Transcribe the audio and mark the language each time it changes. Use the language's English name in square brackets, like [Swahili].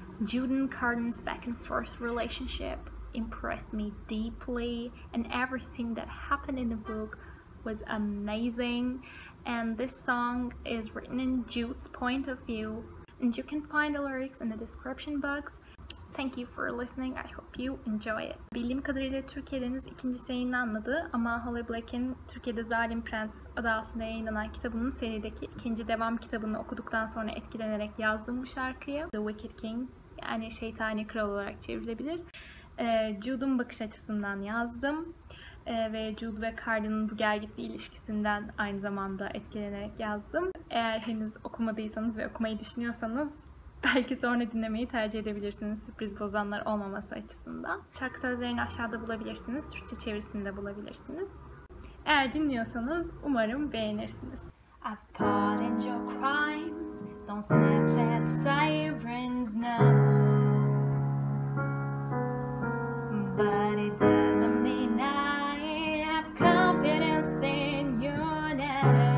[English] Jude and Carden's back and forth relationship impressed me deeply, and everything that happened in the book was amazing. And this song is written in Jude's point of view, and you can find the lyrics in the description box. Thank you for listening. I hope you enjoy it. [Turkish] Bildiğim kadarıyla Türkiye'de henüz ikinci seri yayınlanmadı ama Holly Black'in Türkiye'de Zalim Prens adı altında yayınlanan kitabının serideki ikinci devam kitabını okuduktan sonra etkilenerek yazdım bu şarkıyı. The Wicked King, yani Şeytani Kral olarak çevrilebilir. Jude'un bakış açısından yazdım. Ve Jude ve Carden'ın bu gelgitli ilişkisinden aynı zamanda etkilenerek yazdım. Eğer henüz okumadıysanız ve okumayı düşünüyorsanız belki sonra dinlemeyi tercih edebilirsiniz, sürpriz bozanlar olmaması açısından. Şarkı sözlerini aşağıda bulabilirsiniz, Türkçe çevirisini de bulabilirsiniz. Eğer dinliyorsanız umarım beğenirsiniz. [English] I've pardoned your crimes, don't snap that sirens, no. But it doesn't mean I have confidence in you now.